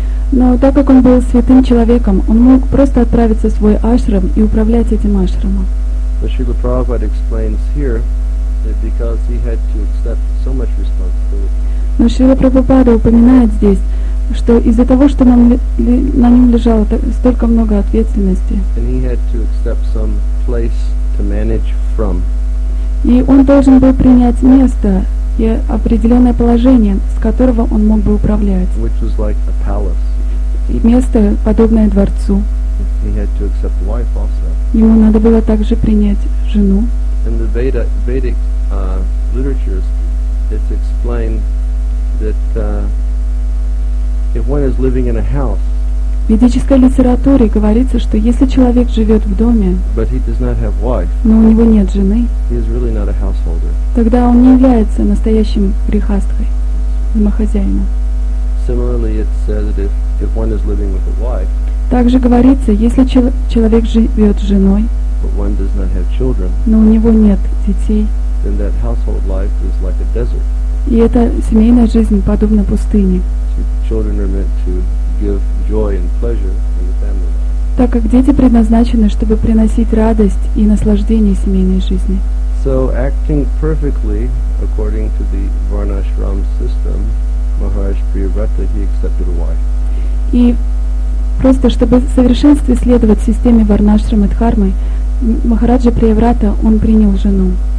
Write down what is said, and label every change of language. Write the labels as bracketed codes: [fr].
[ru] Но так как он был святым человеком, он мог просто отправиться в свой ашрам и управлять этим ашрамом. Но [en] Шрила Прабхупада explains here. Because he had to accept so much responsibility. [ru] Но Шрила Прабхупада упоминает здесь, что из-за того, что на нем лежало столько много ответственности, [en] and he had to accept some place to manage from. [ru] И он должен был принять место и определенное положение, с которого он мог бы управлять. [en] Which was like a palace. [ru] И место, подобное дворцу. [en] He had to accept wife also. [ru] Ему надо было также принять жену. [en] In the Vedic literatures, it's explained that if one is living in a house, [ru] в ведической литературе говорится, что если человек живет в доме, [en] but he does not have wife, [ru] но у него нет жены, [en] he is really not a householder. [ru] Тогда он не является настоящим грихастхой, домохозяином. [en] Similarly, it says that if one is living with a wife, [ru] также говорится, если человек живет с женой, [en] but one does not have children, [ru] но у него нет детей, [en] then that household life is like a desert. [ru] И эта семейная жизнь подобна пустыне. [en] Children are meant to give joy and pleasure in the family life. [ru] Так как дети предназначены, чтобы приносить радость и наслаждение семейной жизни. [en] So acting perfectly according to the Varnashram system, Maharaj Priyavrata, he accepted a wife. [ru] И просто чтобы в совершенстве следовать системе Варнашрама Дхармы, Махараджа Приеврата, он принял жену.